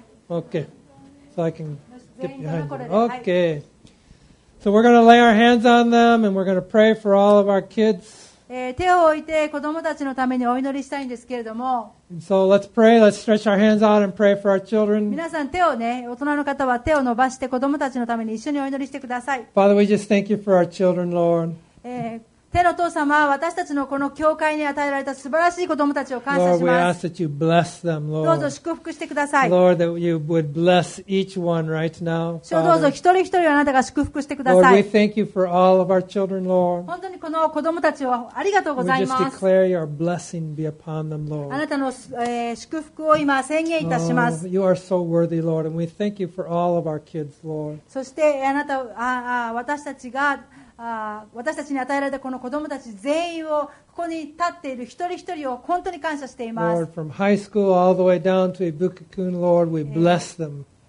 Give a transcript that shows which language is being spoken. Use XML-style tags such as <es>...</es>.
<en>Okay, so I can get behind them. Okay, so we're going to lay our hands on them and we're going to pray for all of our kids.</en> <ja>手を置いて子供たちのためにお祈りしたいんですけれども、</ja> <en>so、let's pray. Let's stretch our hands out and pray for our children.</en> <ja>皆さん手をね、大人の方は手を伸ばして子供たちのために一緒にお祈りしてください。</ja> <en>Father, we just thank you for our children, Lord.</en> <ja>天の父様、私たちのこの教会に与えられた素晴らしい子供たちを感謝します。</ja> <en>Lord, we ask that you bless them, Lord.</en> <ja>どうぞ祝福してください。</ja> <en>Lord, that you would bless each one right now, Father.</en> <ja>主、どうぞ一人一人あなたが祝福してください。</ja> <en>Lord, we thank you for all of our children, Lord.</en> <ja>本当にこの子供たちをありがとうございます。</ja> <en>We just declare your blessing be upon them, Lord.</en> <ja>あなたの、祝福を今宣言いたします。</ja> <en>You are so worthy, Lord, and we thank you for all of our kids, Lord.</en> <ja>そしてあなた、私たちが私たちに与えられたこの子供たち全員をここに立っている一人一人を本当に感謝しています。</ja> <en>Lord, from high school all the way down to Ibuki-kun, Lord, we bless them.</en>